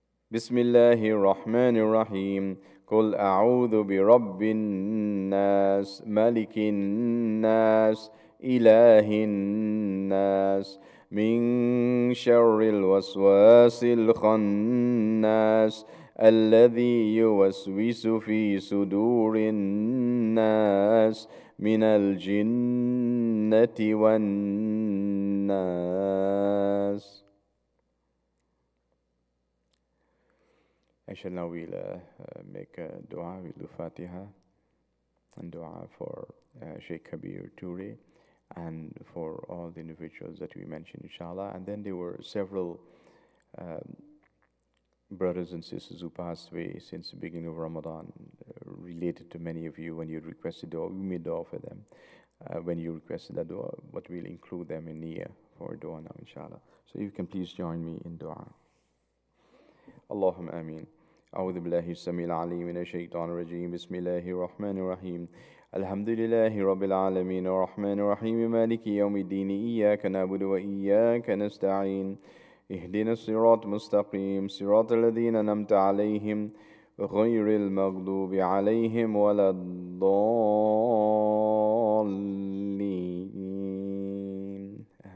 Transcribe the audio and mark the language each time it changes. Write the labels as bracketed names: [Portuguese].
[Arabic] بسم الله الرحمن الرحيم قل أعوذ برب الناس ملك الناس إله الناس من شر الوسواس الخناس الذي يوسوس في صدور الناس من الجنة والناس [English] I shall now will make a dua with the Fatiha and dua for Sheikh Kabir Touré and for all the individuals that we mentioned, inshallah. And then there were several brothers and sisters who passed away since the beginning of Ramadan, related to many of you when you requested dua. We made dua for them when you requested that dua, but we'll include them in niyyah for dua now, inshallah. So you can please join me in dua. Allahumma ameen. [Arabic] أعوذ بالله السميع العليم من الشيطان الرجيم بسم الله الرحمن الرحيم الحمد لله رب العالمين الرحمن الرحيم مالك يوم الدين إياك نعبد وإياك نستعين اهدنا الصراط المستقيم صراط الذين أنعمت عليهم غير المغضوب عليهم ولا الضالين